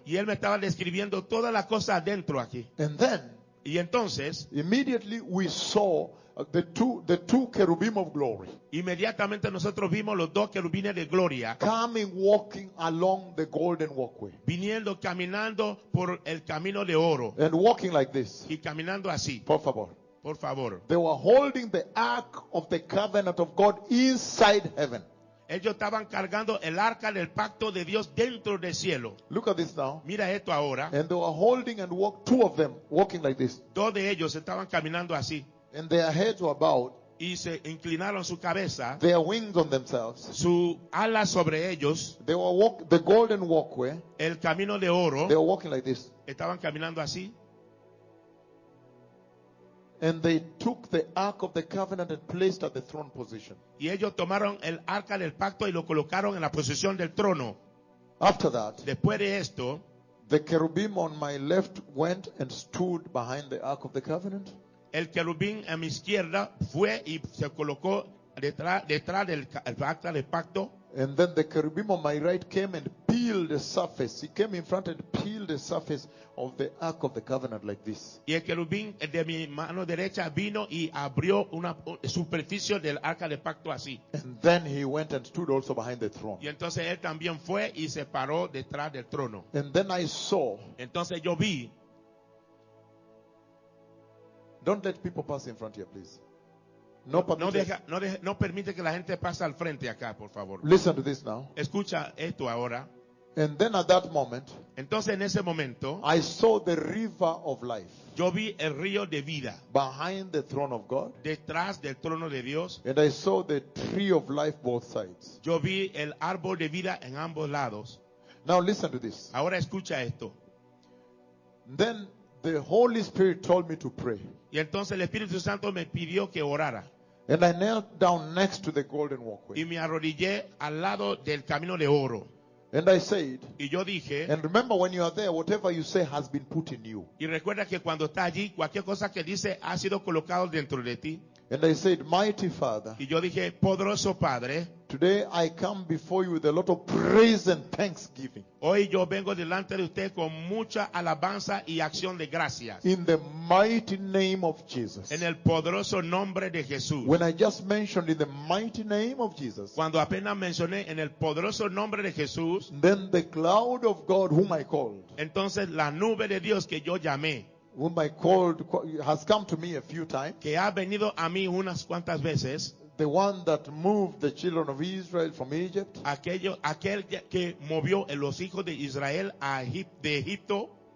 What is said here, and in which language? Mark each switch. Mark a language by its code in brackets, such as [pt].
[es] Y él me estaba describiendo toda la cosa adentro aquí. [en] And then, [es] y entonces, [en] immediately we saw the two cherubim of glory. [es] Inmediatamente nosotros vimos los dos querubines de gloria. [en] Coming, walking along the golden walkway. [es] Viniendo, caminando por el camino de oro. [en] And walking like this. [es] Y caminando así. Por favor. Por favor. [en] They were holding the ark of the covenant of God inside heaven. [es] Ellos estaban cargando el arca del pacto de Dios dentro del cielo. [en] Look at this now. [es] Mira esto ahora. [en] And they were holding and walked, two of them walking like this. [es] Dos de ellos estaban caminando así. [en] And their heads were bowed. [es] Y se inclinaron su cabeza. [en] Their wings on themselves. [es] Su ala sobre ellos. [en] They were walk the golden walkway. [es] El camino de oro. [en] They were walking like this. [es] Estaban caminando así. [en] And they took the ark of the covenant and placed at the throne position. [es] Y ellos tomaron el arca del pacto y lo colocaron en la posición del trono. [en] After that, [es] después de esto, [en] the cherubim on my left went and stood behind the ark of the covenant. [es] El querubín a mi izquierda fue y se colocó detrás del arca del pacto. [en] And then the cherubim on my right came and peeled the surface. He came in front and peeled the surface of the ark of the covenant like this. [es] Y el querubín de mi mano derecha vino y abrió una superficie del arca del pacto así. [en] And then he went and stood also behind the throne. [es] Y entonces él también fue y se paró detrás del trono. [en] And then I saw. [es] Entonces yo vi. [en] Don't let people pass in front here, please. [es] No, no permite que la gente pase al frente acá, por favor. [en] Listen to this now. [es] Escucha esto ahora. [en] And then at that moment, [es] entonces en ese momento, [en] I saw the river of life. [es] Yo vi el río de vida. [en] Behind the throne of God. [es] Detrás del trono de Dios. [en] And I saw the tree of life both sides. [es] Yo vi el árbol de vida en ambos lados. [en] Now listen to this. [es] Ahora escucha esto. [en] Then the Holy Spirit told me to pray. [es] Y entonces el Espíritu Santo me pidió que orara. [en] And I knelt down next to the golden walkway. [es] Y me arrodillé al lado del camino de oro. [en] And I said, [es] y yo dije, [en] and remember when you are there, whatever you say has been put in you. [es] Y recuerda que cuando está allí, cualquier cosa que dice ha sido colocado dentro de ti. [en] And I said, Mighty Father, [es] y yo dije, Poderoso Padre, [en] today I come before you with a lot of praise and thanksgiving. [es] Hoy yo vengo delante de usted con mucha alabanza y acción de gracias. [en] In the mighty name of Jesus. [es] En el poderoso nombre de Jesús. [en] When I just mentioned in the mighty name of Jesus. [es] Cuando apenas mencioné en el poderoso nombre de Jesús. [en] Then the cloud of God whom I called. [es] Entonces la nube de Dios que yo llamé. [en] Whom I called has come to me a few times. [es] Que ha venido a mí unas cuantas veces. [en] The one that moved the children of Israel from Egypt. [es] Aquel que movió los hijos de Israel de Egipto.